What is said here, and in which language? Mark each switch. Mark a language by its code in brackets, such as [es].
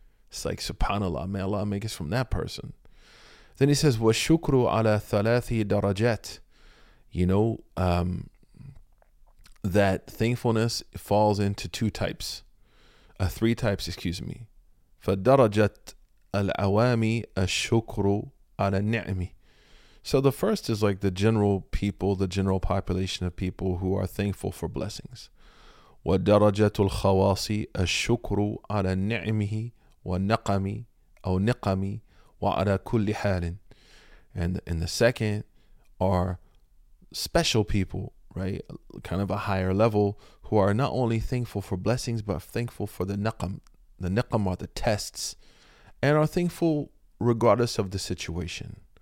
[en] It's like, subhanAllah, may Allah make us from that person. Then he says [ar] وَشُكْرُ عَلَى ثَلَاثِ دَرَجَاتِ. [en] You know, that thankfulness falls into three types. [ar] فَدَرَجَتْ الْعَوَامِ الشُّكْرُ عَلَى النِّعْمِ. [en] So the first is like the general people, the general population of people who are thankful for blessings. [ar] ودرجة الخواص الشكر على نعمه ونقمي أو نقمي وعلى كل حال. [en] And in the second are special people, right? Kind of a higher level, who are not only thankful for blessings, but thankful for the naqam. The naqam are the tests, and are thankful regardless of the situation.